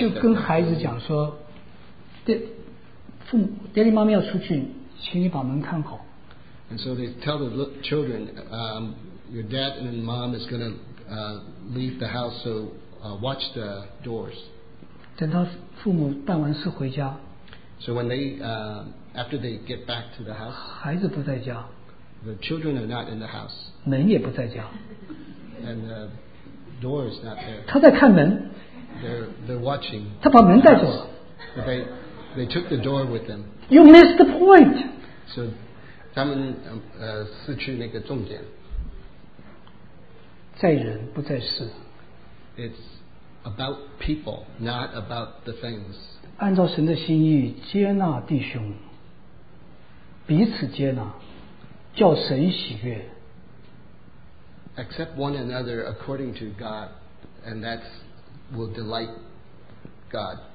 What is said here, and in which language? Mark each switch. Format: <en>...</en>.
<zh>就跟孩子讲说，</zh> <en>Daddy, mommy</en> <zh>要出去，请你把门看好。</zh> <en>And so they tell the children, your dad and mom is going to leave the house, so watch the doors.</en> <zh>等他父母办完事回家。</zh> <en>So when they, after they get back to the house,</en> <zh>孩子不在家。</zh> <en>The children are not in the house.</en> <zh>门也不在家。</zh> <en>And the door is not there.</en> <zh>他在看门。</zh> <en>They're watching.</en> <zh>他把门带走了。</zh> <en>They took the door with them. You missed the point.</en> <zh>So 他们, 失去那个重点。在人不在事。</zh> <en>It's about people, not about the things.</en> <zh>按照神的心意接纳弟兄，彼此接纳，叫神喜悦。</zh> <en>Accept one another according to God, and that will delight God.</en>